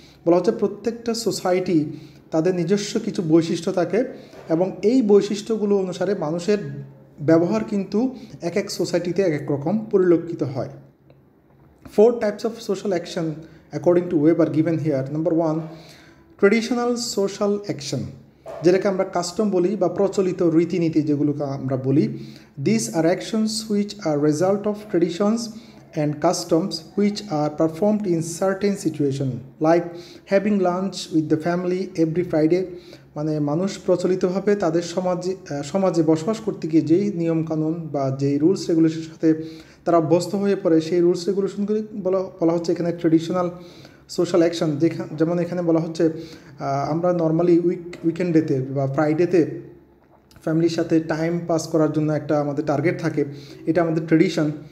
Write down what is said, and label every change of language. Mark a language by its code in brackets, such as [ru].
[bn] বলা হচ্ছে প্রত্যেকটা সোসাইটি তাদের নিজস্ব কিছু বৈশিষ্ট্য থাকে এবং এই বৈশিষ্ট্যগুলো অনুসারে মানুষের ব্যবহার কিন্তু এক এক সোসাইটিতে এক এক রকম পরিলক্ষিত হয়। [en] Four types of social action according to Weber given here. [bn] Number one, traditional social action, যেটাকে আমরা কাস্টম বলি বা প্রচলিত রীতিনীতি যেগুলোকে আমরা বলি। [en] This are actions which are result of traditions and customs which are performed in certain situation like having lunch with the family every Friday. [bn] মানে মানুষ প্রচলিতভাবে তাদের সমাজে বসবাস করতে গিয়ে যেই নিয়মকানুন বা যেই রুলস রেগুলেশনের সাথে তারা অভ্যস্ত হয়ে পড়ে, সেই রুলস রেগুলেশনগুলি বলা হচ্ছে এখানে ট্রেডিশনাল সোশ্যাল অ্যাকশন। যেমন এখানে বলা হচ্ছে আমরা নর্মালি উইকেন্ডেতে বা ফ্রাইডেতে ফ্যামিলির সাথে টাইম পাস করার জন্য একটা আমাদের টার্গেট থাকে, এটা আমাদের ট্রেডিশন।